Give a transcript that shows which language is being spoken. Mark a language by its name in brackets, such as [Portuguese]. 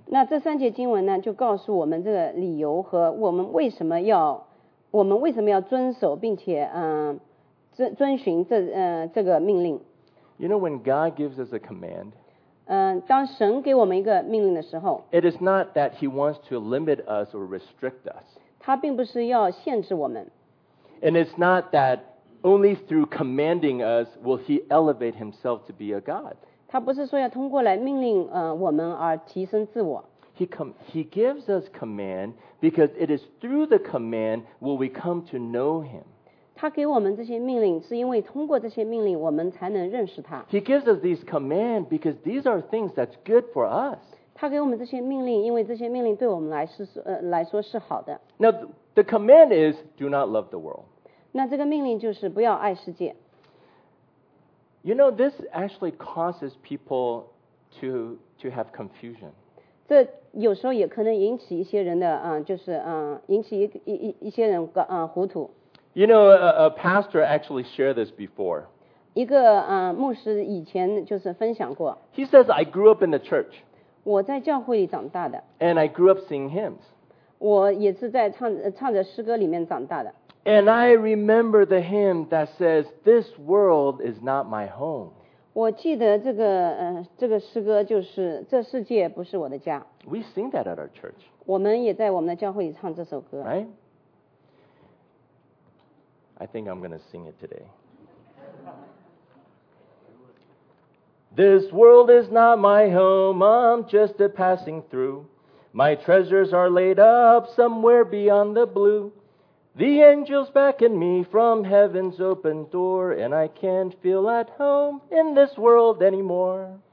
[Chinese] 那这三节经文呢，就告诉我们这个理由和我们为什么要遵守并且遵循这个命令。 [English] You know, when God gives us a command, [Chinese] 当神给我们一个命令的时候 [English] ，It is not that He wants to limit us or restrict us. [Chinese] 他并不是要限制我们。 [English] And it's not that only through commanding us will He elevate Himself to be a God. [Chinese] 他不是说要通过来命令我们而提升自我。 [English] He gives us command because it is through the command will we come to know Him. [Chinese] 他给我们这些命令，是因为通过这些命令，我们才能认识他。 [English] He gives us these command because these are things that's good for us. [Chinese] 他给我们这些命令，因为这些命令对我们来说是好的。 [English] Now the command is do not love the world. [Chinese] 那这个命令就是不要爱世界。 [English] You know, this actually causes people to have confusion. [Chinese] 这有时候也可能引起一些人的引起一些人糊涂。 [English] You know, a pastor actually shared this before. [Chinese] 一个牧师以前就是分享过。 [English] He says, "I grew up in the church." [Chinese] 我在教会里长大的。 [English] And I grew up singing hymns. [Chinese] 我也是在唱着诗歌里面长大的。 [English] And I remember the hymn that says, "This world is not my home." [Chinese] 我记得这个诗歌就是这世界不是我的家。 [English] We sing that at our church. [Chinese] 我们也在我们的教会里唱这首歌。 [English] Right? I think I'm going to sing it today. "This world is not my home, I'm just a passing through. My treasures are laid up somewhere beyond the blue. The angels beckon me from heaven's open door, and I can't feel at home in this world anymore."